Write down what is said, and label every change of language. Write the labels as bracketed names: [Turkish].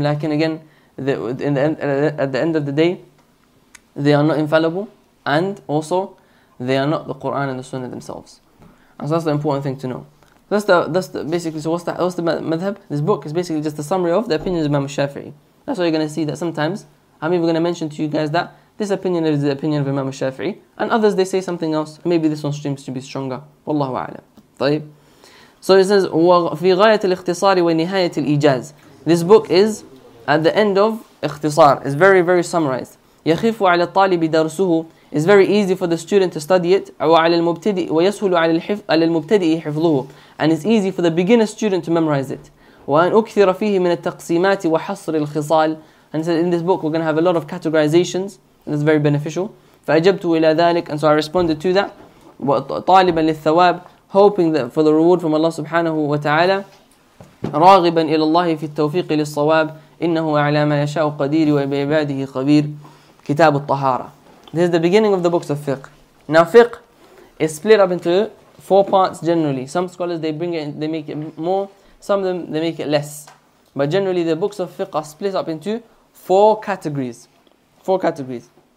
[English] Lakin again, at the end of the day, they are not infallible, and also they are not the Quran and the Sunnah themselves. And so that's the important thing to know. What's the madhab? This book is basically just a summary of the opinions of Imam Shafi'i. That's why you're going to see that sometimes I'm even going to mention to you guys that this opinion is the opinion of Imam Shafi'i, and others they say something else. Maybe this one seems to be stronger. Wallahu a'lam. [Arabic] طيب. [English] So it says [Arabic] وفي غاية الاختصار ونهاية الإيجاز. [English] This book is at the end of [Arabic] اختصار. [English] It's very very summarized. [Arabic] يخف على الطالب درسه. [English] It's very easy for the student to study it. [Arabic] وعلى المبتدئ ويسهل على المبتدئ حفظه. [English] And it's easy for the beginner student to memorize it. [Arabic] وأن أكثر فيه من التقسيمات وحصر الخصال. [English] And so in this book we're going to have a lot of categorizations, and it's very beneficial. [Arabic] فأجبت إلى ذلك. [English] And so I responded to that. [Arabic] طالبا للثواب, [English] hoping that for the reward from Allah subhanahu wa ta'ala. [Arabic] راغبا إلى الله في التوفيق للصواب. إنه على ما يشاء قدير وبعباده خبير. كتاب الطهارة. [English] This is the beginning of the books of fiqh. Now fiqh is split up into four parts generally. Some scholars they make it more, some of them they make it less. But generally the books of fiqh are split up into four categories. Four categories.